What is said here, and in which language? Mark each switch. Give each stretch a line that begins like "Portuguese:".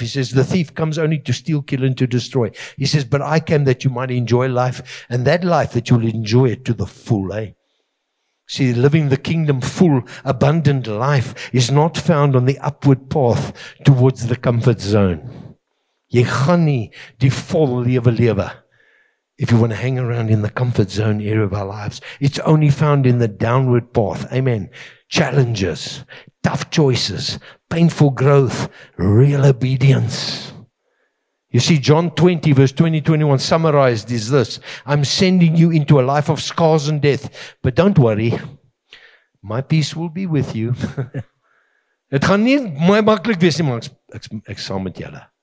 English: He says, the thief comes only to steal, kill, and to destroy. He says, but I came that you might enjoy life, and that life that you'll enjoy it to the full, eh? See, living the kingdom full, abundant life is not found on the upward path towards the comfort zone.
Afrikaans: Jy gaan nie die vol lewe lewe.
English: If you want to hang around in the comfort zone area of our lives, it's only found in the downward path. Amen. Challenges, tough choices, painful growth, real obedience. You see, John 20, verse 20, 21 summarized is this. I'm sending you into a life of scars and death, but don't worry. My peace will be with you.
Afrikaans: Het gaan nie my makkelijk wees nie, maar ek saam met julle.